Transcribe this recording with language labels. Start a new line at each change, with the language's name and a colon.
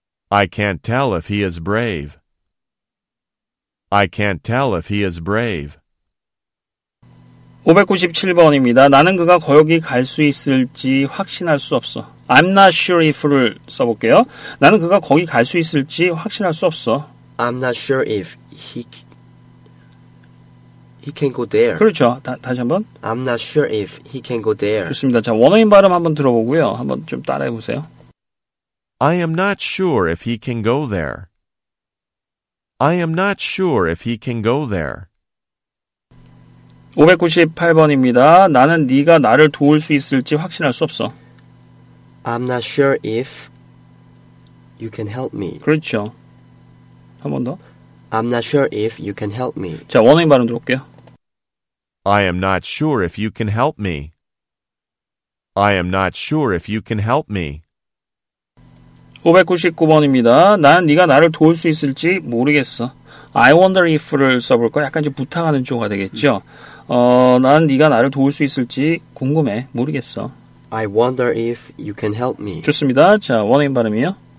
English: I can't tell if he is brave. I can't tell if he is brave.
Korean: 597번입니다. 나는 그가 거기 갈 수 있을지 확신할 수 없어.
English: I'm not sure if
Korean: 를 써볼게요. 나는 그가 거기 갈 수 있을지 확신할 수 없어.
English: I'm not sure if he can go there.
Korean: 그렇죠. 다시 한번.
English: I'm not sure if he can go there.
Korean: 좋습니다. 자, 원어민 발음 한번 들어보고요. 한번 좀 따라해보세요.
English: I am not sure if he can go there. I am not sure if he can go there.
Korean: 598번입니다. 나는 네가 나를 도울 수 있을지 확신할 수 없어.
English: I'm not sure if you can help me.
Korean: 그렇죠. 한 번 더.
English: I'm not sure if you can help me.
Korean: 자, 원어민 발음 들어볼게요.
English: I am not sure if you can help me. I am not sure if you can help me.
Korean: 599번입니다. 나는 네가 나를 도울 수 있을지 모르겠어.
English: I wonder if
Korean: 를 써볼까? 약간 좀 부탁하는 쪽이 되겠죠? 난 네가 나를 도울 수 있을지 궁금해. 모르겠어.
English: I wonder if you can help me.
Korean: 좋습니다. 자, 원어민 발음이요.